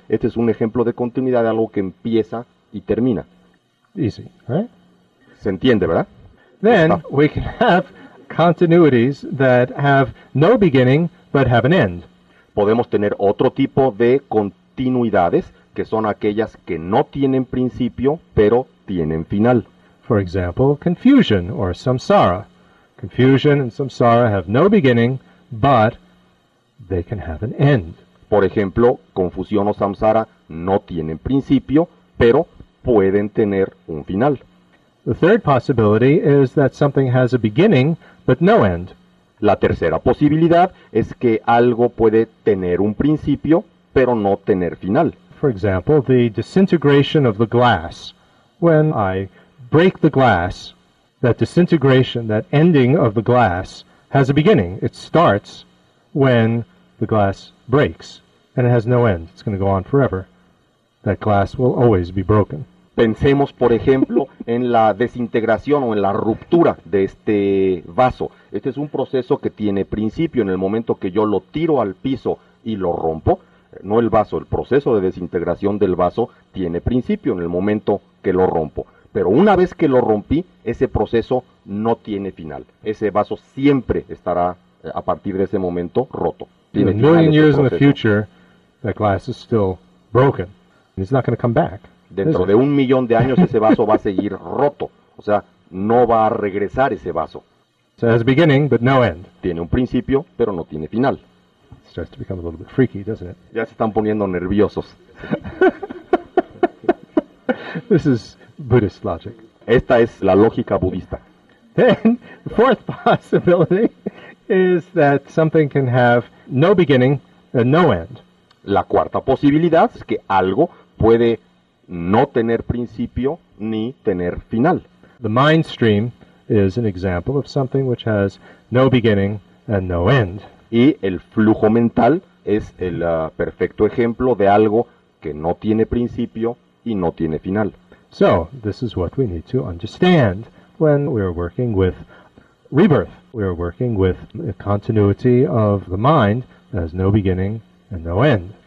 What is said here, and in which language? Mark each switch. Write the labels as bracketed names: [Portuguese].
[Spanish] Este es un ejemplo de continuidad de algo que empieza y termina. [English] Easy, right? [Spanish] Se entiende, ¿verdad? [English] Then we can have continuities that have no beginning but have an end. [Spanish] Podemos tener otro tipo de continuidades, que son aquellas que no tienen principio, pero tienen final. [English] For example, confusion or samsara. Confusion and samsara have no beginning, but they can have an end. [Spanish] Por ejemplo, confusión o samsara no tienen principio, pero pueden tener un final. [English] The third possibility is that something has a beginning, but no end. [Spanish] La tercera posibilidad es que algo puede tener un principio, pero no tener final. [English] For example, the disintegration of the glass. When I break the glass, that disintegration, that ending of the glass, has a beginning. It starts when the glass breaks, and it has no end. It's going to go on forever. That glass will always be broken. [Spanish] Pensemos, por ejemplo, en la desintegración o en la ruptura de este vaso. Este es un proceso que tiene principio. En el momento que yo lo tiro al piso y lo rompo, no el vaso, el proceso de desintegración del vaso tiene principio en el momento que lo rompo. Pero una vez que lo rompí, ese proceso no tiene final. Ese vaso siempre estará, a partir de ese momento, roto. [English] A million years in the future, that glass is still broken. It's not going to come back. [Spanish] Dentro de un millón de años ese vaso va a seguir roto, o sea, no va a regresar ese vaso. [English] So it has a beginning, but no end. [Spanish] Tiene un principio, pero no tiene final. [English] It starts to become a little bit freaky, doesn't it? [Spanish] Ya se están poniendo nerviosos. [English] This is Buddhist logic. [Spanish] Esta es la lógica budista. [English] Then, the fourth possibility is that something can have no beginning, no end. [Spanish] La cuarta posibilidad es que algo puede no tener principio ni tener final. [English] The mind stream is an example of something which has no beginning and no end. [Spanish] Y el flujo mental es el perfecto ejemplo de algo que no tiene principio y no tiene final. [English] So, this is what we need to understand when we are working with rebirth. We are working with the continuity of the mind that has no beginning and no end.